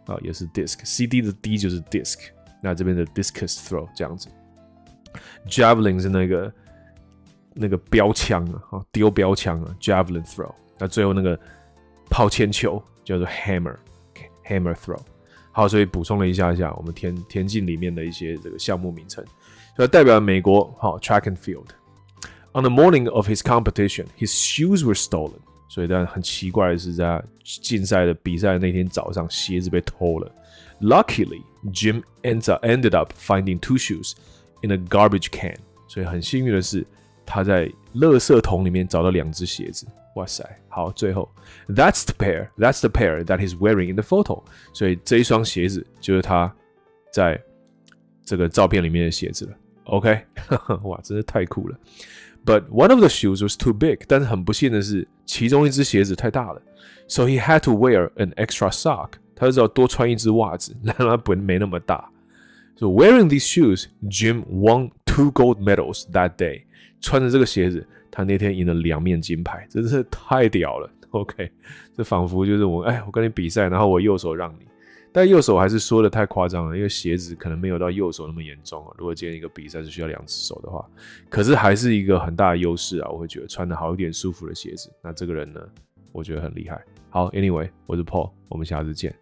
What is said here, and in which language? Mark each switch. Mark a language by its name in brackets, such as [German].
[Chinese] 也是 disc，CD 的 D 就是 disc， 那这边的 discus throw 这样子 ，javelin 是那个标枪啊，丢标枪啊 ，javelin throw， 那最后那个抛铅球叫做 hammer throw， 好，所以补充了一下我们田径里面的一些这个项目名称，所以代表美国track and field。 [English] On the morning of his competition, his shoes were stolen。 [Chinese] 所以，但很奇怪的是，在竞赛的比赛那天早上，鞋子被偷了。 [English] Luckily, Jim ended up finding two shoes in a garbage can。 [Chinese] 所以很幸运的是，他在垃圾桶里面找到两只鞋子。哇塞，好，最后 [English] ，That's the pair that he's wearing in the photo。 [Chinese] 所以这一双鞋子就是他在这个照片里面的鞋子了。 OK， 哇，真是太酷了。 [English] But one of the shoes was too big. [Chinese] 但是很不幸的是，其中一只鞋子太大了。 [English] So he had to wear an extra sock. [Chinese] 他就只好多穿一只袜子，让他本没那么大。 [English] So wearing these shoes, Jim won two gold medals that day. [Chinese] 穿着这个鞋子，他那天赢了两面金牌，真是太屌了。 OK， 这仿佛就是我跟你比赛，然后我右手让你，但右手还是说的太夸张了，因为鞋子可能没有到右手那么严重啊。如果今天一个比赛是需要两只手的话，可是还是一个很大的优势啊。我会觉得穿的好一点、舒服的鞋子，那这个人呢，我觉得很厉害。好 ，Anyway， 我是 Paul， 我们下次见。